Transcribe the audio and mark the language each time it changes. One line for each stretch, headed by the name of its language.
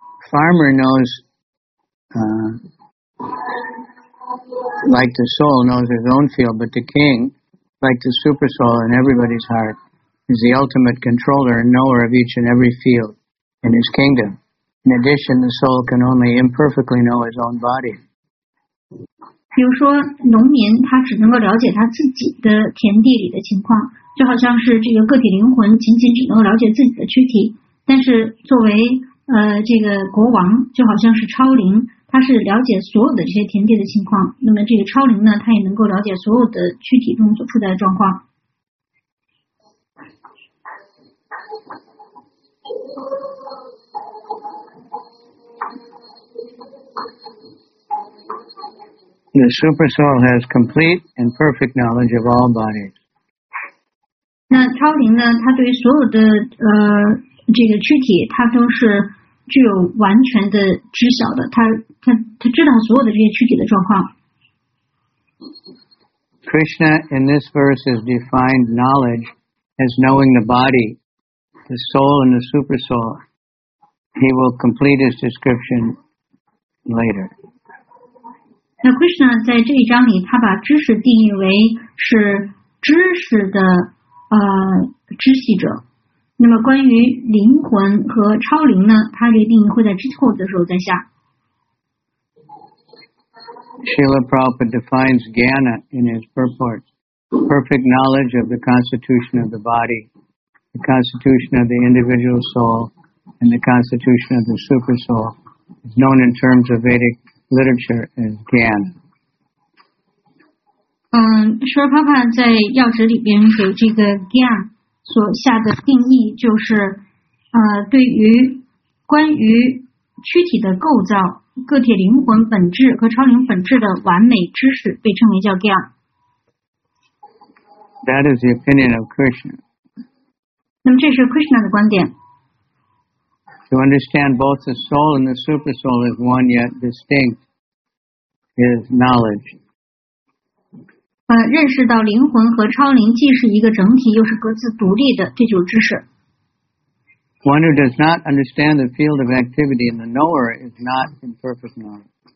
English: Farmer knows, like the soul knows his own field, but the king, like the super soul in everybody's heart, is the ultimate controller and knower of each and every field in his kingdom. In addition, the soul can only imperfectly know his own body.
Chinese: 比如说，农民他只能够了解他自己的田地里的情况，就好像是这个个体灵魂仅仅只能够了解自己的躯体，但是作为这个国王就好像是超灵，他是了解所有的这些田地的情况，那么这个超灵呢他也能够了解所有的躯体中所处在的状况。
English: The super soul has complete and perfect knowledge of all bodies.
Chinese: 那超灵呢他对于所有的这个躯体他都是具有完全的知晓的，他知道所有的这些躯体的状况。
English: Krishna in this verse has defined knowledge as knowing the body, the soul, and the super soul. He will complete his description later.
Chinese: 那 Krishna 在这一章里，他把知识定义为是知识的知悉者。那么关于灵魂和超灵呢，它这个定义会在之后的时候再下。
English: Srila Prabhupada defines jnana in his purport, perfect knowledge of the constitution of the body, the constitution of the individual soul, and the constitution of the super soul, is known in terms of Vedic literature as jnana.
Chinese: Srila Prabhupada 在要旨里边给这个 jnana 所下的定义就是，对于关于躯体的构造。个体灵魂本质和超灵本质的完美知识被称为叫 Gyan。
English: That is the opinion of Krishna.
Chinese: 那么这是 Krishna 的观点。
English: To understand both the soul and the super soul as one yet distinct is knowledge.
Chinese: 认识到灵魂和超灵既是一个整体又是各自独立的，这就是知识。
English: One who does not understand the field of activity in the knower is not in perfect knowledge.